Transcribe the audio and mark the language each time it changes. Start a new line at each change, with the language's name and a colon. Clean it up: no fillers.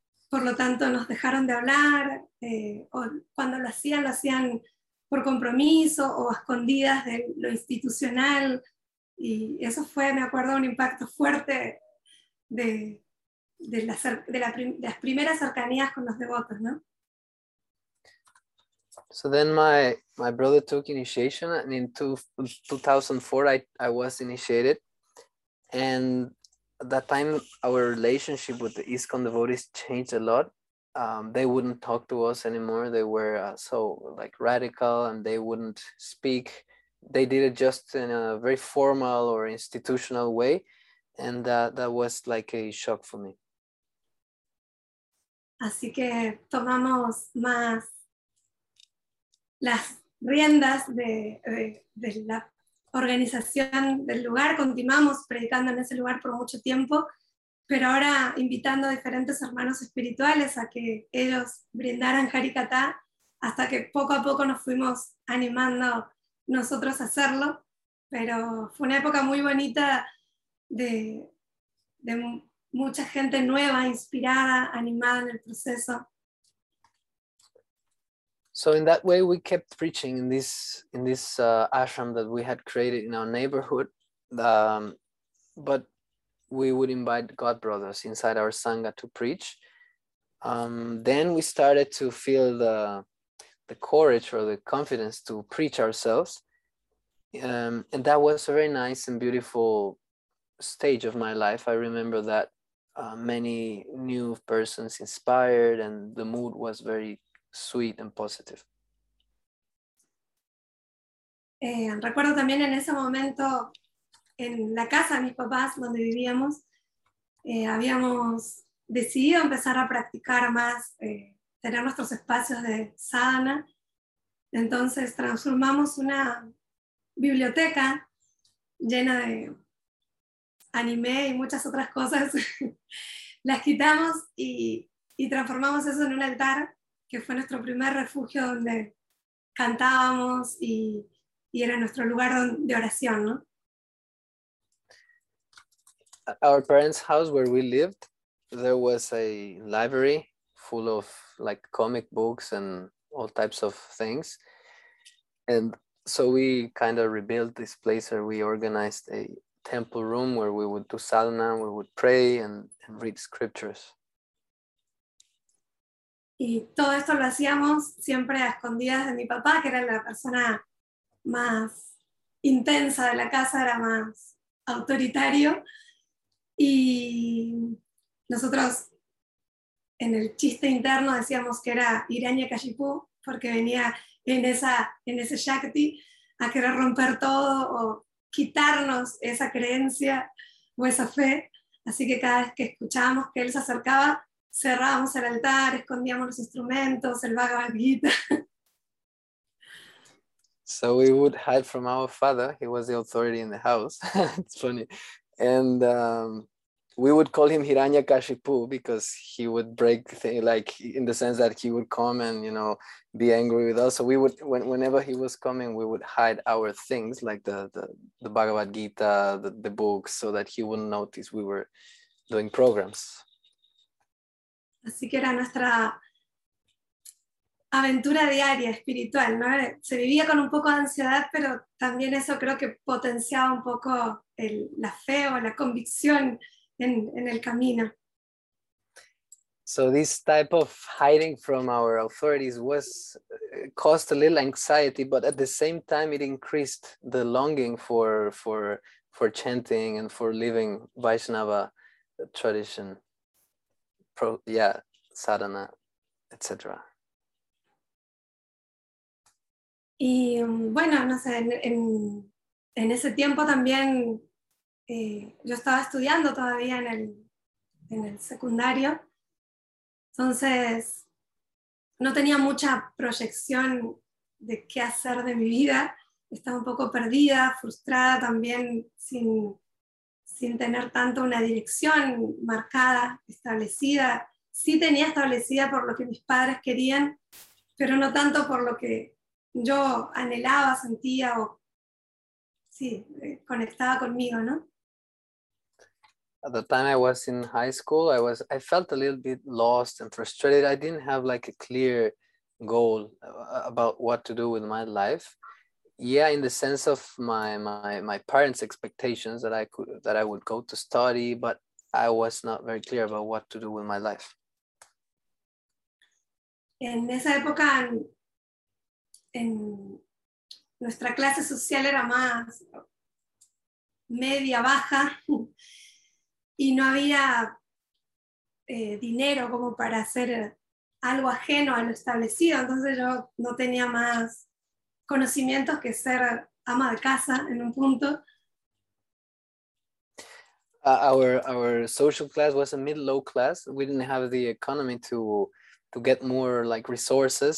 Spanish: Por lo tanto, nos dejaron de hablar, o cuando lo hacían por compromiso o a escondidas de lo institucional. Y eso fue, me acuerdo, un impacto fuerte de las primeras cercanías con los devotos, ¿no?
English: So then my brother took initiation, and in 2004 I was initiated, and at that time our relationship with the ISKCON devotees changed a lot. They wouldn't talk to us anymore. They were so like radical, and they wouldn't speak. They did it just in a very formal or institutional way, and that was like a shock for me.
Spanish: Así que tomamos más las riendas de la organización del lugar, continuamos predicando en ese lugar por mucho tiempo, pero ahora invitando a diferentes hermanos espirituales a que ellos brindaran Harikatha, hasta que poco a poco nos fuimos animando nosotros a hacerlo. Pero fue una época muy bonita de mucha gente nueva, inspirada, animada en el proceso.
English: So in that way, we kept preaching in this ashram that we had created in our neighborhood. But we would invite God brothers inside our sangha to preach. Then we started to feel the courage or the confidence to preach ourselves. And that was a very nice and beautiful stage of my life. I remember that many new persons inspired, and the mood was very sweet and positive.
Spanish: Recuerdo también en ese momento en la casa de mis papás donde vivíamos, habíamos decidido empezar a practicar más, tener nuestros espacios de sadhana. Entonces transformamos una biblioteca llena de anime y muchas otras cosas, las quitamos y transformamos eso en un altar, que fue nuestro primer refugio donde cantábamos y era nuestro lugar de oración, ¿no?
English: Our parents' house where we lived, there was a library full of like comic books and all types of things. And so we kind of rebuilt this place, or we organized a temple room where we would do sadhana, we would pray and read scriptures.
Spanish: Y todo esto lo hacíamos siempre a escondidas de mi papá, que era la persona más intensa de la casa, era más autoritario. Y nosotros en el chiste interno decíamos que era Hiranyakashipu, porque venía en ese Shakti a querer romper todo o quitarnos esa creencia o esa fe. Así que cada vez que escuchábamos que él se acercaba, cerrábamos el altar, escondíamos los instrumentos, el Bhagavad Gita.
English: So we would hide from our father. He was the authority in the house. It's funny. And we would call him Hiranyakashipu because he would break things, like in the sense that he would come and, you know, be angry with us. So we would, whenever he was coming, we would hide our things, like the Bhagavad Gita, the books, so that he wouldn't notice we were doing programs.
Spanish: Así que era nuestra aventura diaria espiritual, ¿no? Se vivía con un poco de ansiedad, pero también eso creo que potenciaba un poco la fe o la convicción en el camino.
English: So this type of hiding from our authorities was caused a little anxiety, but at the same time it increased the longing for chanting and for living Vaishnava tradition, sadhana, etc.
Spanish: Y bueno, no sé, en ese tiempo también yo estaba estudiando todavía en el secundario, entonces no tenía mucha proyección de qué hacer de mi vida, estaba un poco perdida, frustrada también, sin tener tanto una dirección marcada, establecida. Sí tenía establecida por lo que mis padres querían, pero no tanto por lo que yo anhelaba, sentía o sí, conectaba conmigo, ¿no?
English: At the time I was in high school, I felt a little bit lost and frustrated. I didn't have like a clear goal about what to do with my life. Yeah, in the sense of my parents' expectations that I would go to study, but I was not very clear about what to do with my life.
Spanish: En esa época, en nuestra clase social era más media baja y no había dinero como para hacer algo ajeno a lo establecido, entonces yo no tenía más conocimientos que ser ama de casa en un punto.
English: Our social class was a mid-low class. We didn't have the economy to get more like resources.